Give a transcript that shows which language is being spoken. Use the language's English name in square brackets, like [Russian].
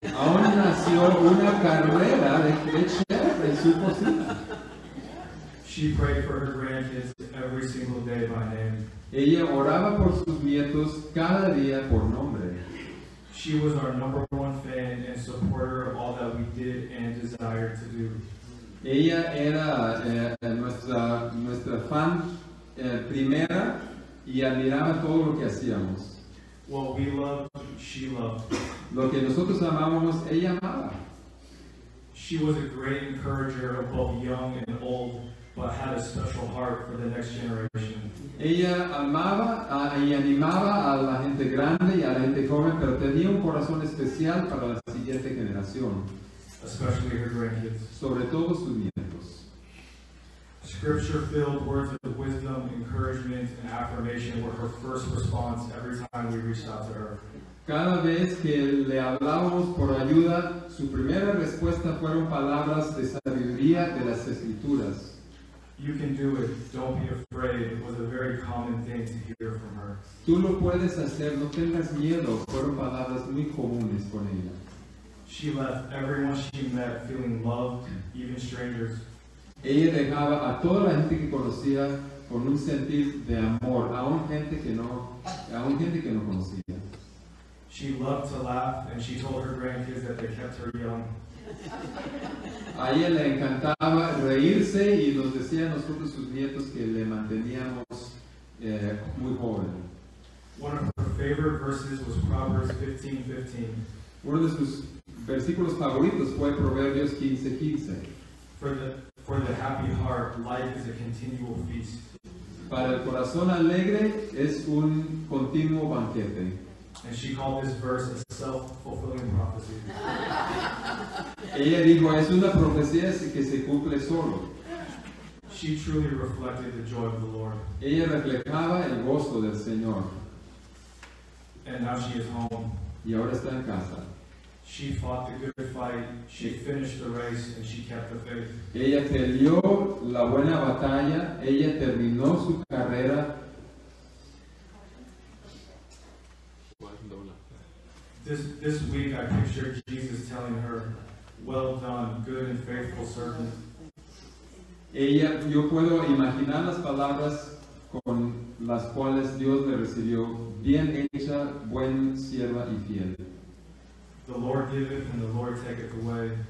[Spanish] Aún nació una carrera de chef en su cocina. [English] She prayed for her grandkids every single day by name. [Spanish] Ella oraba por sus nietos cada día por nombre. [English] She was our number one fan and supporter of all that we did and desired to do. [Spanish] Ella era nuestra fan primera y admiraba todo lo que hacíamos. [English] What we loved, she loved. [Spanish] Lo que nosotros amábamos, ella amaba. [English] She was a great encourager of both young and old, but had a special heart for the next generation. [Spanish] Ella amaba y animaba a la gente grande y a la gente joven, pero tenía un corazón especial para la siguiente generación. [English] Especially her grandkids. [Spanish] Sobre todo sus nietos. [English] Scripture-filled words of wisdom, encouragement, and affirmation were her first response every time we reached out to her. [Spanish] Cada vez que le hablábamos por ayuda, su primera respuesta fueron palabras de sabiduría de las Escrituras. [English] You can do it. Don't be afraid. It was a very common thing to hear from her. [Spanish] Tú lo puedes hacer. No tengas miedo. Fueron palabras muy comunes con ella. [English] She left everyone she met feeling loved, even strangers. [Spanish] Ella dejaba a toda la gente que conocía con un sentir de amor, aún gente que no conocía. [English] She loved to laugh, and she told her grandkids that they kept her young. [Spanish] A ella le encantaba reírse y nos decía a nosotros sus nietos que le manteníamos muy joven. [English] One of her favorite verses was Proverbs 15:15. [Spanish] Uno de sus versículos favoritos fue Proverbios 15:15. [English] For the happy heart, life is a continual feast. [Spanish] Para el corazón alegre es un continuo banquete. [English] And she called this verse a self-fulfilling prophecy. [Spanish] Ella dijo, es una profecía que se cumple solo. [English] She truly reflected the joy of the Lord. [Spanish] Ella reflejaba el gozo del Señor. [English] And now she is home. [Spanish] Y ahora está en casa. [English] She fought the good fight, she finished the race, and she kept the faith. [Spanish] Ella peleó la buena batalla, ella terminó su carrera. [English] This week I pictured Jesus telling her, "Well done, good and faithful servant." [Spanish] Ella, yo puedo imaginar las palabras con las cuales Dios le recibió, bien hecha, buen sierva y fiel. [English] The Lord giveth and the Lord taketh away.